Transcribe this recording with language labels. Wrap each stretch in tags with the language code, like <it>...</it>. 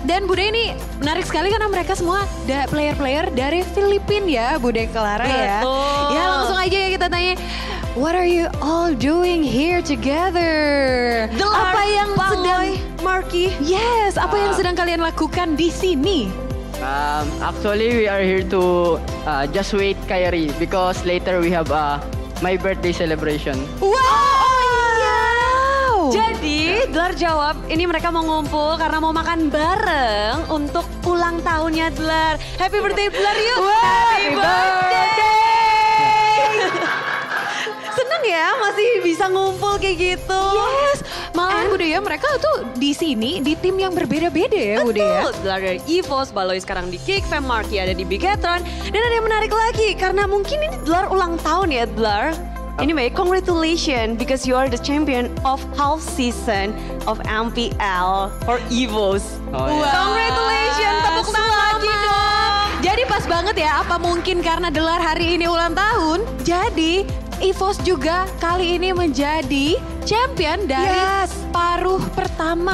<id>Dan Bude ini menarik sekali karena mereka semua player-player dari Filipina ya, Bude Clara ya. Ya langsung aja ya kita tanya.</id> <en>What are you all doing here together?</en> <id>Apa yang sedang Marky? Yes, apa yang sedang kalian lakukan di sini?</id> <en>Actually, we are here to just wait Kairi because later we have my birthday celebration. Wow! Oh, yeah.</en> <id>Jadi, Dlar jawab, ini mereka mau ngumpul karena mau makan bareng untuk ulang tahunnya Dlar.</id> <en>Happy birthday Dlar yuk! Wow, happy birthday!</en> <id>Seneng ya masih bisa ngumpul kayak gitu. Yes. Malahan Bude ya, mereka tuh di sini di tim yang berbeda-beda ya Bude ya. Betul, Dlar dari EVOS, Baloy sekarang di Kick, Fam Marky ada di Bigetron. Dan ada yang menarik lagi, karena mungkin ini Dlar ulang tahun ya Dlar.</id> <en>Anyway, congratulations because you are the champion of half season of MPL for EVOS. Oh, yeah. Wow.</en> <id>Congratulations, tepuk tangan lagi dong. Jadi pas banget ya, apa mungkin karena Dlar hari ini ulang tahun, jadi EVOS juga kali ini menjadi champion dari paruh pertama.</id>